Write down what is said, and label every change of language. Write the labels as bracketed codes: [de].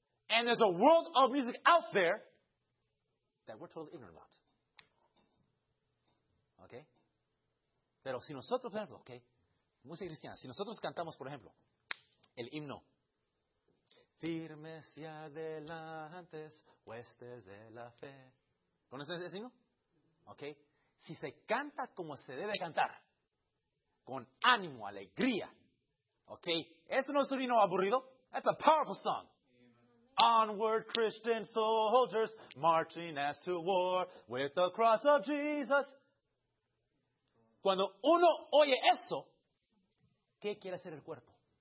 [en] And there's a world of music out there that we're totally ignorant about. Okay? [es] Pero si nosotros, por ejemplo, okay, música cristiana, si nosotros cantamos, por ejemplo, el himno. Firmes y adelantes, huestes de la fe. ¿Conoces ese signo? Ok. Si se canta como se debe cantar, con ánimo, alegría. Ok. Eso no es un himno aburrido. [en] That's a powerful song. Onward, Christian soldiers, marching as to war with the cross of Jesus. [es] Cuando uno oye eso, ¿qué quiere hacer el cuerpo?